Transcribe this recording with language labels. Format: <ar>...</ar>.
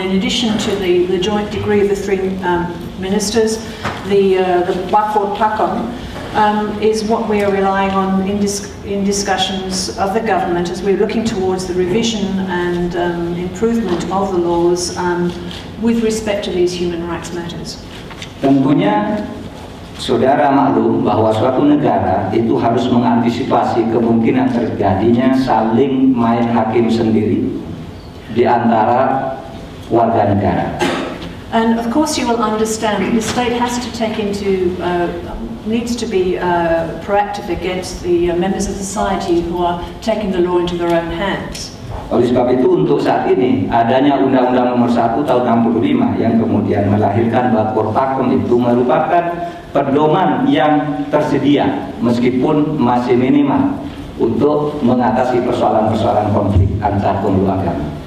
<en>In addition to the joint degree of the three ministers, the Bakor Pakom is what we are relying on in discussions of the government as we're looking towards the revision and improvement of the laws with respect to these human rights matters.</en> <id>Tentunya, saudara maklum bahwa suatu negara itu harus mengantisipasi kemungkinan terjadinya saling main hakim sendiri di antara warga negara.</id> <en>And of course you will understand the state has to take into needs to be proactive against the members of society who are taking the law into their own hands.</en> <id>Oleh sebab itu untuk saat ini adanya Undang-Undang Nomor 1 tahun 65 yang kemudian melahirkan Bakor-Pakom itu merupakan pedoman yang tersedia meskipun masih minimal untuk mengatasi persoalan-persoalan konflik antar pemeluk agama.</id>